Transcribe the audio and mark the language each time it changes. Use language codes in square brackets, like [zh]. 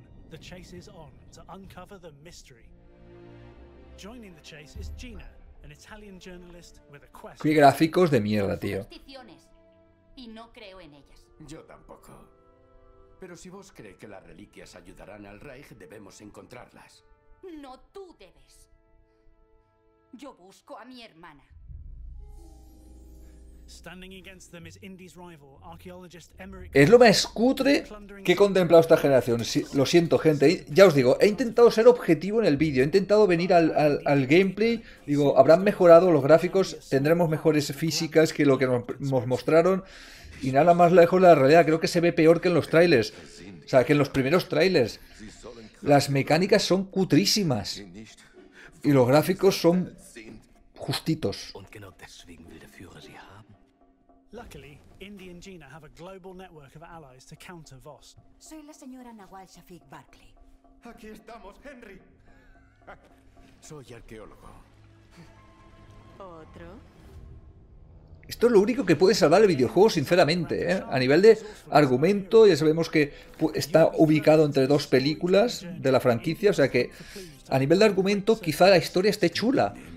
[en] The chase is on to uncover the mystery. Joining the chase is Gina, an Italian journalist with a quest. [es] Qué gráficos de mierda, tío. Y no creo en ellas. Yo tampoco. Pero si vos cree que las reliquias ayudarán al Reich, debemos encontrarlas. No, tú debes. Yo busco a mi hermana. [en] Standing against them is Indy's rival, archaeologist Emmerich. [es] Es lo más cutre que he contemplado esta generación. Lo siento, gente. Ya os digo, he intentado ser objetivo en el vídeo. He intentado venir al gameplay. Digo, habrán mejorado los gráficos. Tendremos mejores físicas que lo que nos mostraron. Y nada más lejos de la realidad. Creo que se ve peor que en los trailers. O sea, que en los primeros trailers. Las mecánicas son cutrísimas. Y los gráficos son justitos. [en] Luckily, Indy and Gina have a global network of allies to counter Voss. [es] Soy la señora Nawal Shafiq Barclay. Aquí estamos, Henry. Soy arqueólogo. ¿Otro? Esto es lo único que puede salvar el videojuego, sinceramente, ¿eh? A nivel de argumento, ya sabemos que está ubicado entre dos películas de la franquicia, o sea que a nivel de argumento quizá la historia esté chula.